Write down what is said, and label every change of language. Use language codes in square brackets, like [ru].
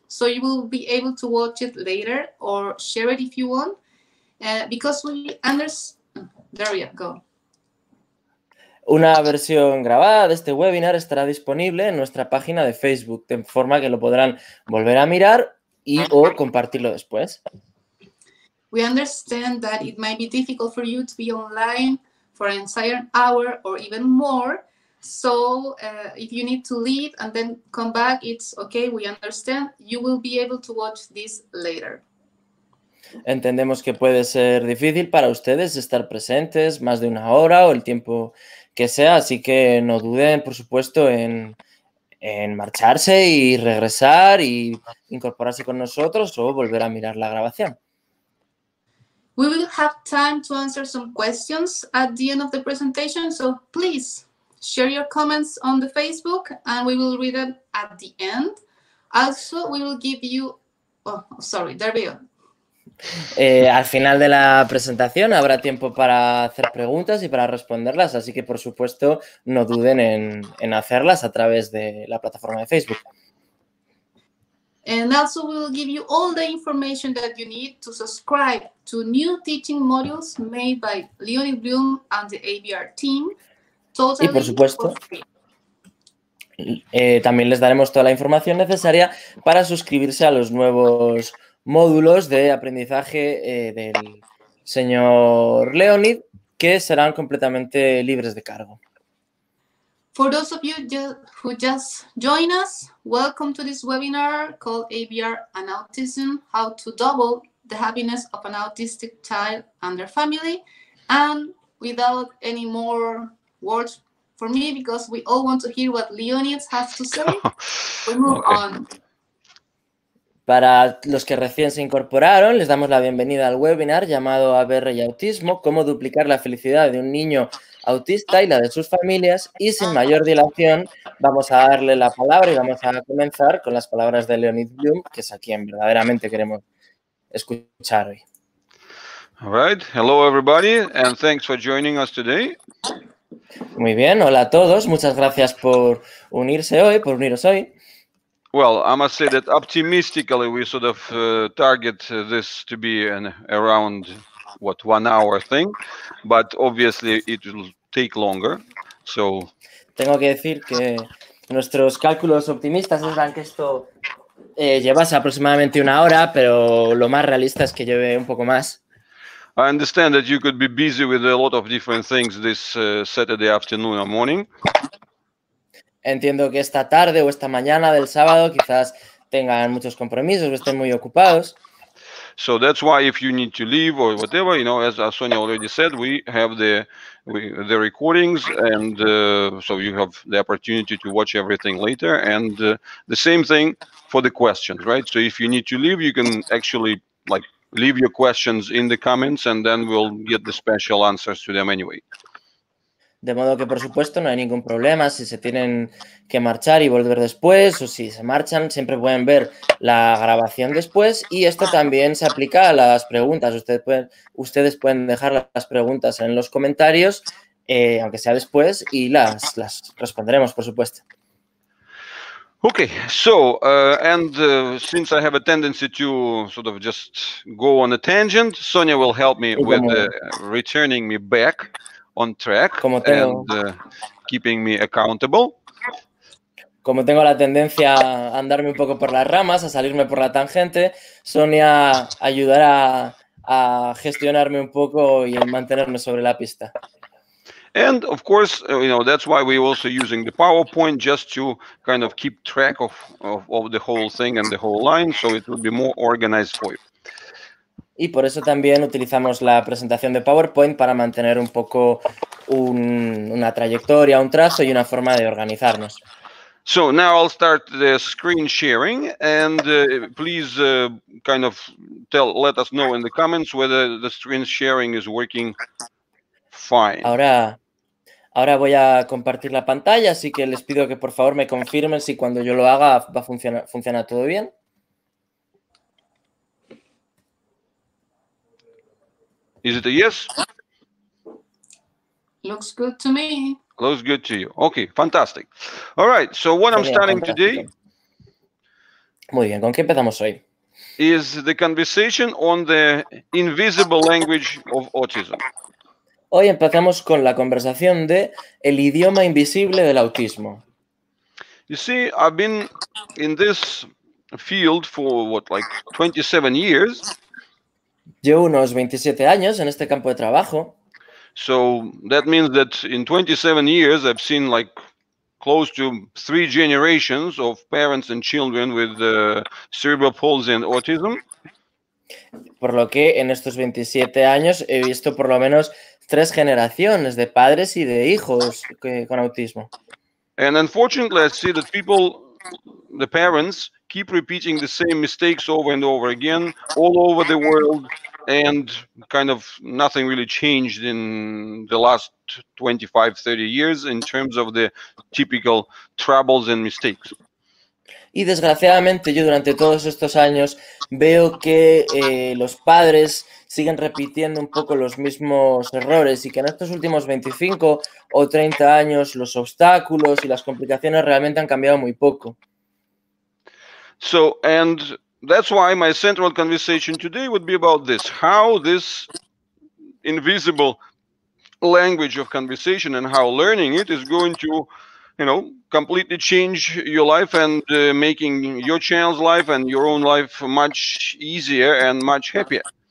[en] So you will be able to watch it later or share it if you want. Because we understand. There we go. [es] Una versión grabada de este webinar estará disponible en nuestra página de Facebook, de forma que lo podrán volver a mirar y o compartirlo después. [en] We understand that it might be difficult for you to be online for an entire hour or even more, So if you need to leave and then come back, it's okay, we understand. You will be able to watch this later. [es] Entendemos que puede ser difícil para ustedes estar presentes más de una hora o el tiempo que sea, así que no duden, por supuesto, en marcharse y regresar y incorporarse con nosotros o volver a mirar la grabación. [en] We will have time to answer some questions at the end of the presentation, so please share your comments on the Facebook and we will read them at the end. Also, we will give you... [es] Al final de la presentación habrá tiempo para hacer preguntas y para responderlas, así que por supuesto no duden en hacerlas a través de la plataforma de Facebook. [en] And also we will give you all the information that you need to subscribe to new teaching modules made by Leonie Bloom and the ABR team. Totally. [es] Y por supuesto, también les daremos toda la información necesaria para suscribirse a los nuevos módulos de aprendizaje del señor Leonid, que serán completamente libres de cargo. [en] For those of you who just joined us, welcome to this webinar called ABR and Autism, How to Double the Happiness of an Autistic Child and Their Family. And without any more words for me, because we all want to hear what Leonid has to say, we move on. [es] Para los que recién se incorporaron, les damos la bienvenida al webinar llamado ABR y Autismo, cómo duplicar la felicidad de un niño autista y la de sus familias. Y sin mayor dilación, vamos a darle la palabra y vamos a comenzar con las palabras de Leonid Bloom, que es a quien verdaderamente queremos escuchar hoy. [en] All right. Hello everybody and thanks for joining us today. [es] Muy bien, hola a todos, muchas gracias por unirse hoy, por uniros hoy. [en] Well, I must say that optimistically we sort of target this to be an around, what, 1 hour thing, but obviously it will take longer, so... [es] Tengo que decir que nuestros cálculos optimistas eran que esto llevase aproximadamente una hora, pero lo más realista es que lleve un poco más. [en] I understand that you could be busy with a lot of different things this Saturday afternoon or morning. [es] Entiendo que esta tarde o esta mañana del sábado quizás tengan muchos compromisos o estén muy ocupados. [en] So that's why if you need to leave or whatever, you know, as Sonia already said, we have the recordings and so you have the opportunity to watch everything later. And the same thing for the questions, right? So if you need to leave, you can actually like leave your questions in the comments and then we'll get the special answers to them anyway. [es] De modo que, por supuesto, no hay ningún problema si se tienen que marchar y volver después o si se marchan, siempre pueden ver la grabación después y esto también se aplica a las preguntas. Ustedes pueden dejar las preguntas en los comentarios, aunque sea después, y las responderemos, por supuesto. [en] Okay, so, and since I have a tendency to sort of just go on a tangent, Sonia will help me with returning me back on track and keeping me accountable. [es] Como tengo la tendencia a andarme un poco por las ramas, a salirme por la tangente, Sonia ayudará a gestionarme un poco y a mantenerme sobre la pista. [en] And of course, you know, that's why we're also using the PowerPoint just to kind of keep track of the whole thing and the whole line, so it will be more organized for you. [es] Y por eso también utilizamos la presentación de PowerPoint para mantener un poco una trayectoria, un trazo y una forma de organizarnos. [en] So now I'll start the screen sharing and please kind of let us know in the comments whether the screen sharing is working fine. [es] Ahora voy a compartir la pantalla, así que les pido que por favor me confirmen si cuando yo lo haga va a funciona todo bien. [en] Is it a yes? Looks good to me. Looks good to you. Okay, fantastic. All right, so what I'm starting today... [es] Muy bien, ¿con qué empezamos hoy? [en] ...is the conversation on the invisible language of autism. [es] Hoy empezamos con la conversación de el idioma invisible del autismo. [en] You see, I've been in this field for, what, like 27 years... [es] Llevo unos 27 años en este campo de trabajo. [en] So that means that in 27 years I've seen like close to three generations of parents and children with cerebral palsy and autism. [es] Por lo que en estos 27 años he visto por lo menos tres generaciones de padres y de hijos con autismo. [en] And unfortunately, I see that people, the parents, keep repeating the same mistakes over and over again, all over the world, and kind of nothing really changed in the last 25, 30 years in terms of the typical troubles and mistakes. [es] Y desgraciadamente yo durante todos estos años veo que los padres siguen repitiendo un poco los mismos errores y que en estos últimos 25 o 30 años los obstáculos y las complicaciones realmente han cambiado muy poco. [en] So, and that's why my central conversation today would be about this, how this invisible language of conversation and how learning it is going to, you know, completely change your life and making your child's life and your own life much easier and much happier.